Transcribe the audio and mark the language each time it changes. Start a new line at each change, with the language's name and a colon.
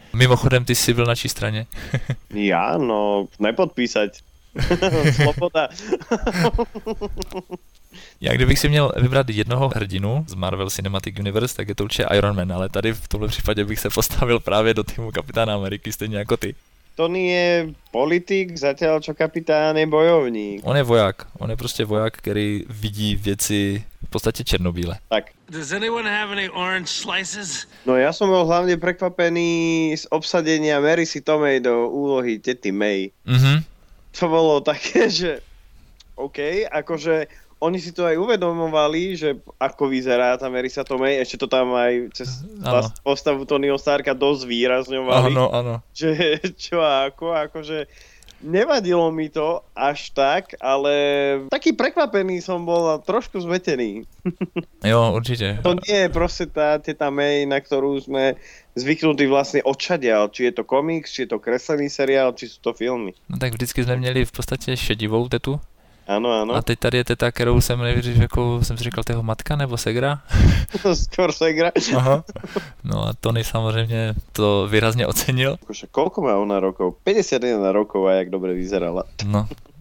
Czech: Mimochodem, ty si byl na čí straně? Já? No, nepodpísať. Slobota. Já kdybych si měl vybrat jednoho hrdinu z Marvel Cinematic Universe, tak je to určitě Iron Man, ale tady v tomhle případě bych se postavil právě do týmu Kapitána Ameriky, stejně jako ty.
Slovak: Tony je politik, zatiaľ čo kapitán je bojovník.
Czech: On je voják. On je prostě voják, který vidí věci v podstatě černobíle. Tak.
English: Does anyone have any orange slices?
Czech: No já jsem byl hlavně překvapený z obsadení Marisy Tomei do úlohy tety May. Mm-hmm. To bylo také,
Slovak: že OK, jakože oni si to aj uvedomovali, že ako vyzerá tá Marisa Tomei, ešte to tam aj cez postavu Tonyho Starka dosť výrazňovali. Áno, áno. Že čo a ako, akože nevadilo mi to až tak, ale taký prekvapený som bol a trošku zmetený. Jo, určite. To nie je proste tá teta May, na ktorú sme zvyknutý vlastne odšadial, či je to komiks, či je to kreslený seriál, či sú to filmy.
Czech: No tak vždycky sme mieli v podstate šedivou tetu. Ano, ano. A teď tady je teta, kterou jsem nevěřil, jako jsem si říkal, tého matka nebo segra?
Slovak: Skor segra. Aha.
Czech: No a Tony samozřejmě to výrazně ocenil.
Slovak: Kože, kolko má ona rokov? 51 rokov a jak dobře vyzerala. No.